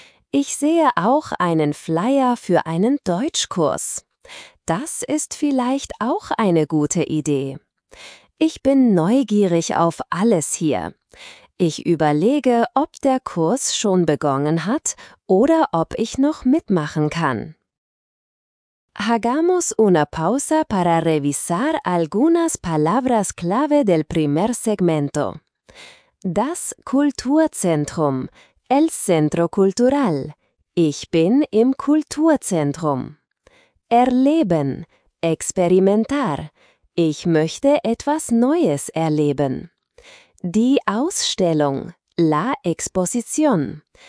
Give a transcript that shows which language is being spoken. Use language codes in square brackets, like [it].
[de] Ich sehe auch einen Flyer für einen Deutschkurs. Das ist vielleicht auch eine gute Idee. Ich bin neugierig auf alles hier. Ich überlege, ob der Kurs schon begonnen hat oder ob ich noch mitmachen kann. [es] Hagamos una pausa para revisar algunas palabras clave del primer segmento. [de] Das Kulturzentrum, [es] el Centro Cultural. [de] Ich bin im Kulturzentrum. Erleben, experimentar. Ich möchte etwas Neues erleben. Die Ausstellung, [es] la exposición.